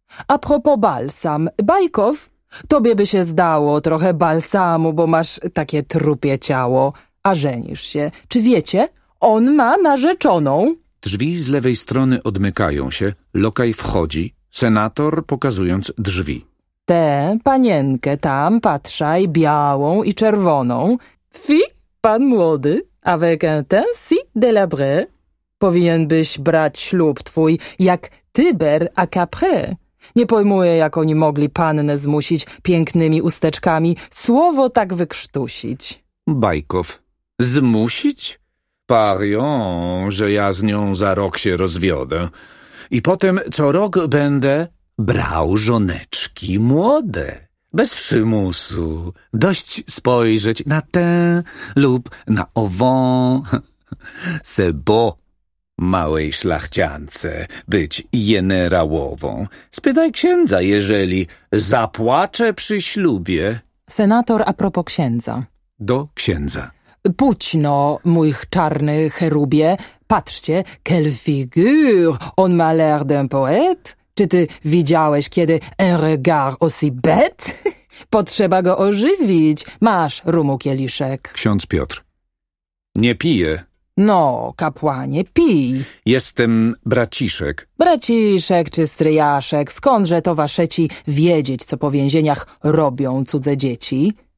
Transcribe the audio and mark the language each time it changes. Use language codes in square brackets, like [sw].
[pl] A propos balsam, Bajkow, tobie by się zdało trochę balsamu, bo masz takie trupie ciało, a żenisz się. Czy wiecie, on ma narzeczoną? Drzwi z lewej strony odmykają się, lokaj wchodzi. Senator pokazując drzwi. Tę panienkę tam, patrzaj, białą i czerwoną. Fi, pan młody, [fr] avec un teint si délabré. [pl] Powinien byś brać ślub twój jak Tyber [fr] à Capre. [pl] Nie pojmuję, jak oni mogli pannę zmusić pięknymi usteczkami słowo tak wykrztusić. Bajkow. Zmusić? Parion, że ja z nią za rok się rozwiodę. I potem co rok będę brał żoneczki młode. Bez przymusu. Dość spojrzeć na tę lub na ową. Se bo małej szlachciance być jenerałową. Spytaj księdza, jeżeli zapłaczę przy ślubie. Senator a propos księdza. Do księdza. Pójdź no, mój czarny cherubie. Patrzcie, [fr] quelle figure, on ma l'air d'un poète. [pl] Czy ty widziałeś kiedy [fr] un regard aussi bête? [pl] Potrzeba go ożywić. Masz rumu kieliszek. Ksiądz Piotr. Nie piję. No, kapłanie, pij. Jestem braciszek. Braciszek czy stryjaszek, skądże to waszeci wiedzieć, co po więzieniach robią cudze dzieci?